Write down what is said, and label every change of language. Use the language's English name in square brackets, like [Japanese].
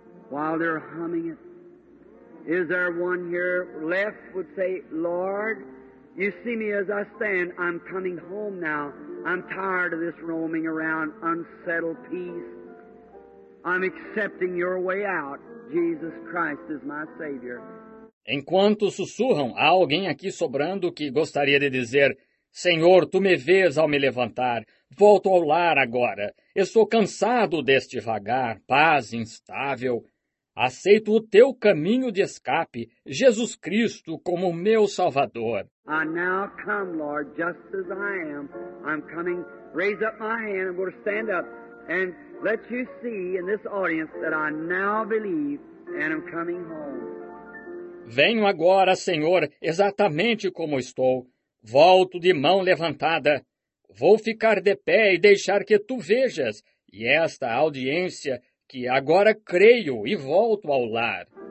[English] While they're humming it, is there one here left would say, Lord? You see me as I stand, I'm coming home now. I'm tired of this roaming around, unsettled peace. I'm accepting your way out. Jesus Christ is my Savior. [Portuguese] Enquanto sussurram, há alguém aqui sobrando que gostaria de dizer, Senhor, tu me vês ao me levantar. Volto ao lar agora. Estou cansado deste vagar, paz instável. Aceito o teu caminho de escape, Jesus Cristo, como meu Salvador. [English] I now come, Lord, just as I am. I'm coming. Raise up my hand. I'm going to stand up and let you see in this audience that I now believe and I'm coming home. [Portuguese] Venho agora, Senhor, exatamente como estou. Volto de mão levantada. Vou ficar de pé e deixar que tu vejas e esta audiência que agora creio e volto ao lar.